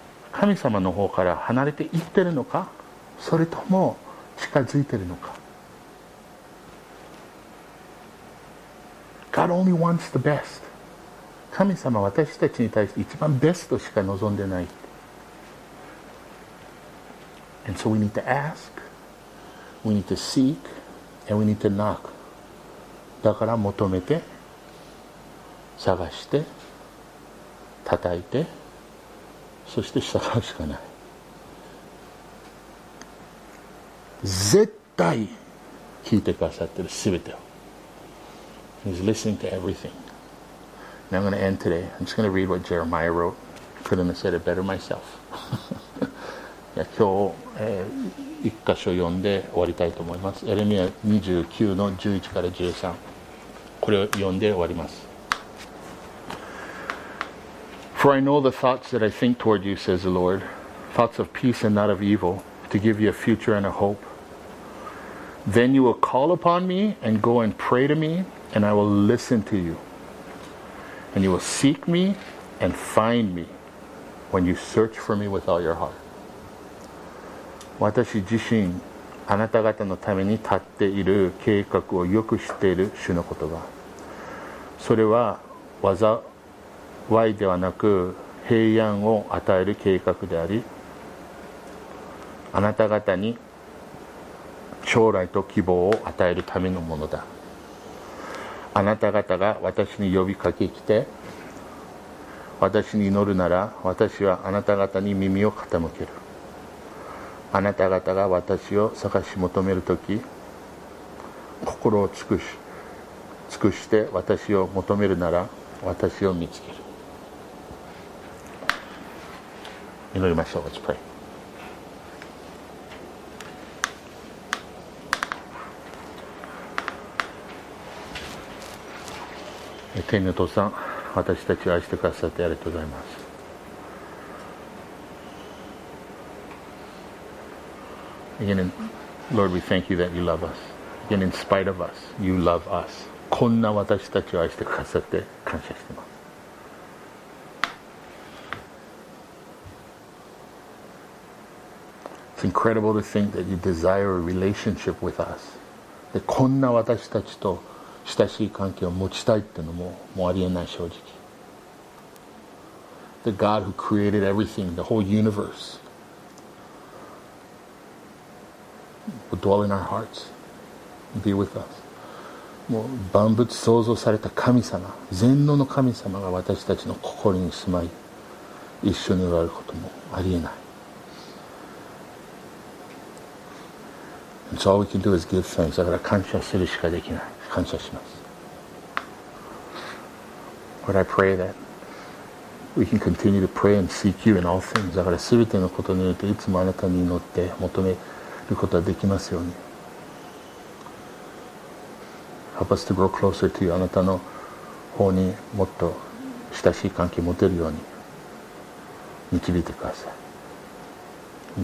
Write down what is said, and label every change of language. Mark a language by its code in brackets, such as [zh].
[ja] 神様の方から離れていってるのか、それとも近づいてるのか。 [en] God only wants the best. [ja] 神様は私たちに対して一番ベストしか望んでない。 [en] And so we need to ask, we need to seek, and we need to knock. [ja] だから求めて、探して、叩いて、そして従うしかない。絶対聞いてくださってる、すべてを。 [en] He's listening to everything. Now I'm going to end today. I'm just going to read what Jeremiah wrote. Couldn't have said it better myself. [ja] いや今日、一箇所読んで終わりたいと思います。エレミア29の11から13。これを読んで終わります。 [en] For I know the thoughts that I think toward you, says the Lord, thoughts of peace and not of evil, to give you a future and a hope. Then you will call upon me and go and pray to me, and I will listen to you. And you will seek me and find me when you search for me with all your heart. [ja] 私自身あなた方のために立っている計画をよく知っている主の言葉、それは災いではなく平安を与える計画であり、あなた方に将来と希望を与えるためのものだ。あなた方が私に呼びかけ来て私に祈るなら、私はあなた方に耳を傾ける。あなた方が私を探し求めるとき、心を尽くして私を求めるなら、私を見つける。祈りましょう。 [en] Let's pray. [ja] 天の父さん、私たちを愛してくださってありがとうございます。 [en] Again, Lord, we thank you that you love us. Again, in spite of us, you love us. [ja] こんな私たちを愛してくださって感謝しています。 [en] It's incredible to think that you desire a relationship with us. [ja] で、こんな私たちと親しい関係を持ちたいっていうのもうありえない、正直。 [en] The God who created everything, the whole universe. Will dwell in our hearts, be with us. [ja] もう万物創造された神様、全能の神様が私たちの心に住まい、一緒におられることもありえない。 [en] And so all we can do is give thanks. [ja] だから感謝するしかできない。感謝します。 [en] Lord, I pray that we can continue to pray and seek you in all things. [ja] だから全てのことにおいていつもあなたに祈って求めることができますように。 [en] Help us to grow closer to you. [ja] あなたの方にもっと親しい関係を持てるように導いてください。